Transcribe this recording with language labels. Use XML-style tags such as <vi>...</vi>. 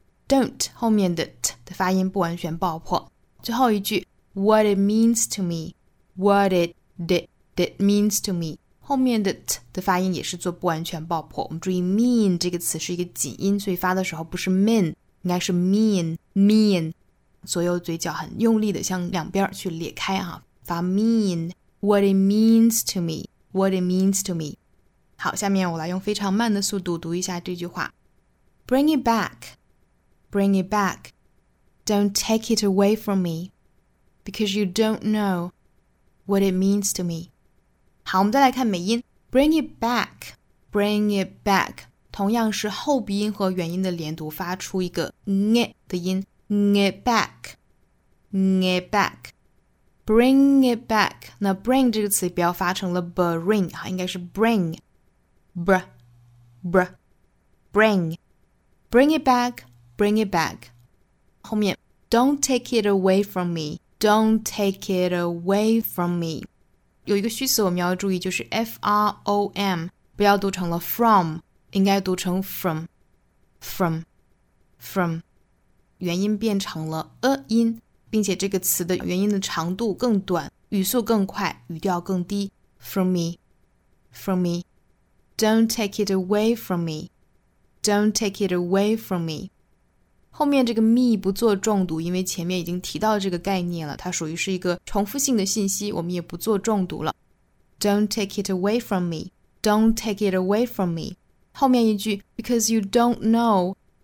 <zh>don't 后面的 t 的发音不完全爆破最后一句</zh> <en>what it means to me</en> <zh>what it did means to me 后面的 t 的发音也是做不完全爆破我们注意 mean 这个词是一个紧音所以发的时候不是 mean应该是 mean, mean, 左右嘴角很用力的向两边去裂开啊发 mean,</zh> <en>what it means to me, what it means to me.</en> <zh>好下面我来用非常慢的速度读一下这句话。</zh> <en>Bring it back, bring it back. Don't take it away from me, because you don't know what it means to me.</en> <zh>好我们再来看美音。</zh> <en>Bring it back, bring it back.</en> <zh>同样是后鼻音和元音的连读发出一个 ng 的音 ng it back ng it back bring it back 那 bring 这个词不要发成了 bring 应该是 bring br br bring.</zh> <en>Bring it back, bring it back.</en> <zh>后面</zh> <en>don't take it away from me, don't take it away from me.</en> <zh>有一个虚词我们要注意，就是 from, 不要读成了 from, 应该读成 from. 元音变成了 音，并且这个词的元音的长度更短，语速更快，语调更低。</zh> <en>From me. Don't take it away from me. Don't take it away from me.</en> <zh>后面这个 me 不做重读，因为前面已经提到这个概念了，它属于是一个重复性的信息，我们也不做重读了。</zh> <en>Don't take it away from me. Don't take it away from me.</en> <zh>后面一句</zh> <en>because you don't know.</en>